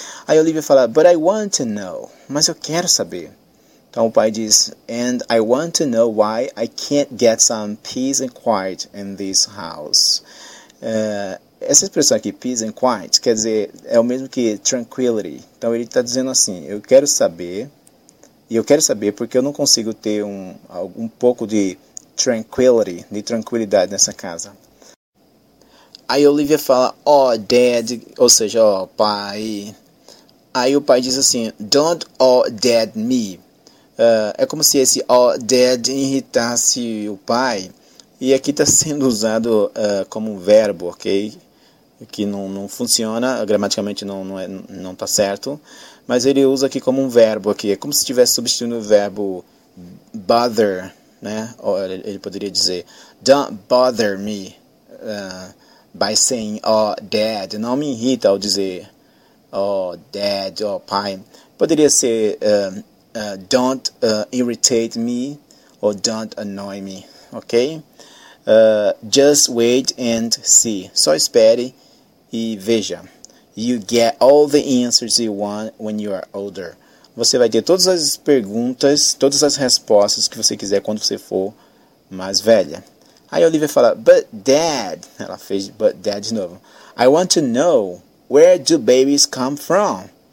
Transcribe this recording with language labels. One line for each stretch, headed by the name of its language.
Portuguese: Aí Olivia fala,
English: but I want to know.
Portuguese: Mas eu quero saber. Então, o pai diz,
English: and I want to know why I can't get some peace and quiet in this house.
Portuguese: Essa expressão aqui,
English: peace and quiet,
Portuguese: quer dizer, é o mesmo que tranquility. Então, ele está dizendo assim, eu quero saber, e eu quero saber porque eu não consigo ter um pouco de tranquility, de tranquilidade nessa casa. Aí Olivia fala,
English: oh, Dad,
Portuguese: ou seja, oh, pai. Aí o pai diz assim,
English: don't oh, Dad, me.
Portuguese: É como se esse
English: oh, Dad
Portuguese: irritasse o pai. E aqui está sendo usado como um verbo, ok? Que não funciona, gramaticalmente não está certo. Mas ele usa aqui como um verbo, ok? É como se estivesse substituindo o verbo bother, né? Ele poderia dizer,
English: don't bother me by saying, oh, Dad.
Portuguese: Não me irrita ao dizer,
English: oh, Dad,
Portuguese: oh, pai. Poderia ser,
English: don't irritate me or don't annoy me, ok? Just wait and see.
Portuguese: Só espere e veja.
English: You get all the answers you want when you are older.
Portuguese: Você vai ter todas as perguntas, todas as respostas que você quiser quando você for mais velha. Aí a Olivia fala,
English: but Dad,
Portuguese: ela fez but Dad de novo.
English: I want to know, where do babies come from?